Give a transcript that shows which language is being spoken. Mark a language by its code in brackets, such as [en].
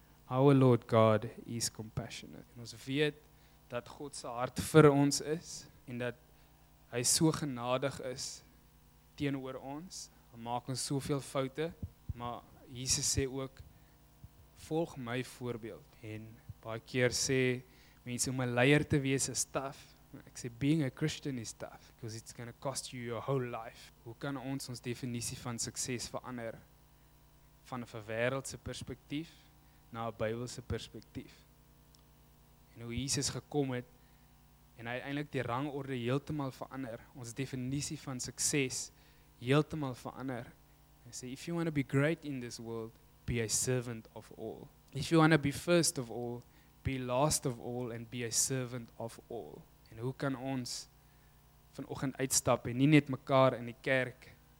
[en] Our Lord God is compassionate. [af] En ons weet dat God se hart vir ons is en dat hy so genadig is teenoor ons. Ons maak ons soveel foute, maar Jesus sê ook, volg my voorbeeld. En baie keer sê mense, om 'n leier te wees is tough. Ek sê, [en] being a Christian is tough, because it's going to cost you your whole life. [af] Hoe kan ons definisie van sukses verander van 'n wêreldse perspektief na 'n Bybelse perspektief? En hoe Jesus gekom het, en hy eintlik die rangorde heeltemal verander, ons definisie van sukses heeltemal verander. Hy sê, [en] if you want to be great in this world, be a servant of all. If you want to be first of all, be last of all, and be a servant of all. [af] En hoe kan ons vanoggend uitstap, en nie net mekaar in die kerk